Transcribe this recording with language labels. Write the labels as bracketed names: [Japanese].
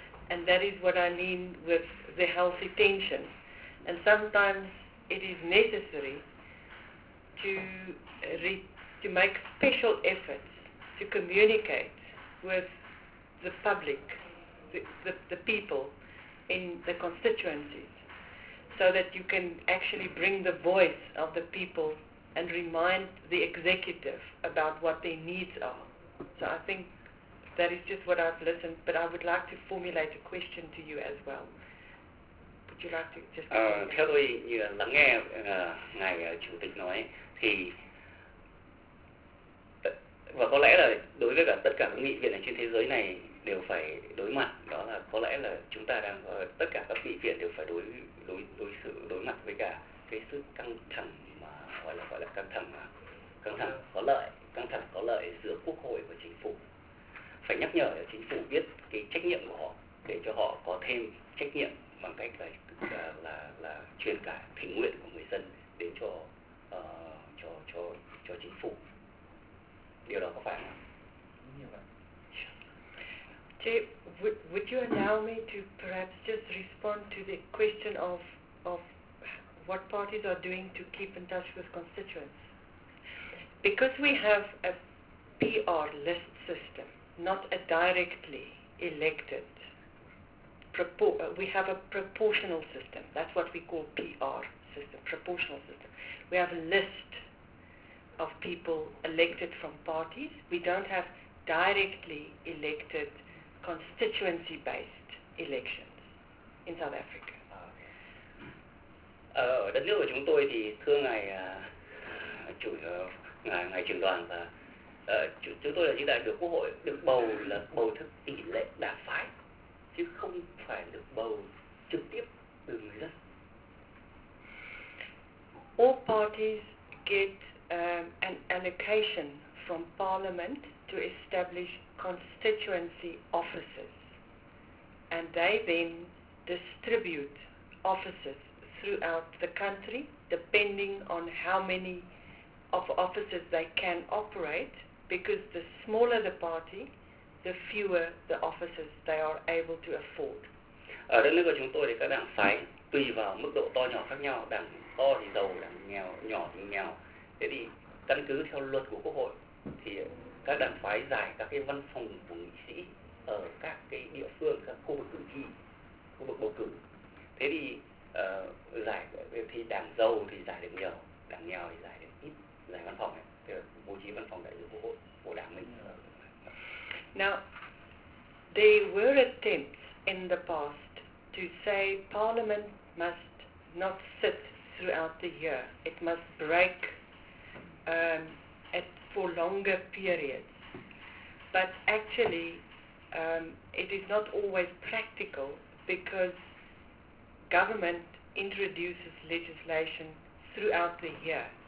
[English] And that is what I mean with the healthy tension. And sometimes it is necessary to make special efforts to communicate with the public, the people in the constituencies, so that you can actually bring the voice of the people and remind the executive about what their needs are. So I think that is just what I've listened, but I would like to formulate a question to you as well. Would you like to just... [Vietnamese] theo tôi như lắng nghe ngài chủ tịch nói thì và có lẽ là đối với cả tất cả các nghị viện ở trên thế giới này đều phải đối mặt, đó là có lẽ là chúng ta đang tất cả các nghị viện đều phải đối mặt với cả cái sự căng thẳng mà gọi là căng thẳng có lợi giữa quốc hội và chính phủ. Phải nhắc nhở chính phủ biết cái trách nhiệm của họ để cho họ có thêm trách nhiệm bằng cách là truyền cả thỉnh nguyện của người dân đến cho chính phủ. Điều đó có phải không? [English] Chair, would you allow me to perhaps just respond to the question of what parties are doing to keep in touch with constituents. Because we have a PR list system, not a directly elected, we have a proportional system. That's what we call PR system, proportional system. We have a list of people elected from parties. We don't have directly elected constituency-based elections in South Africa. [Vietnamese] Đất nước của chúng tôi thì thưa ngài chủ ngài ngài trưởng đoàn và chúng tôi là những đại biểu quốc hội được bầu là bầu theo tỷ lệ đảng phái chứ không phải được bầu trực tiếp từ người dân. [English] All parties get an allocation from Parliament to establish constituency offices, and they then distribute offices throughout the country, depending on how many of offices they can operate, because the smaller the party, the fewer the offices they are able to afford. [Vietnamese] Ở đất nước của chúng tôi thì các đảng phái tùy vào mức độ to nhỏ khác nhau, đảng to thì giàu, đảng nghèo, nhỏ thì nghèo. Thế thì căn cứ theo luật của Quốc hội thì các đảng phái giải các cái văn phòng của nghị sĩ ở các cái địa phương, các khu vực cử tri, khu vực bầu cử. Thế thì giải thì đảng giàu thì giải được nhiều, đảng nghèo thì giải được ít, giải văn phòng ấy, bố trí văn phòng đại diện quốc hội của đảng mình. [English] Now, there were attempts in the past to say Parliament must not sit throughout the year; it must break at for longer periods. But actually, it is not always practical because government introduces legislation throughout the year.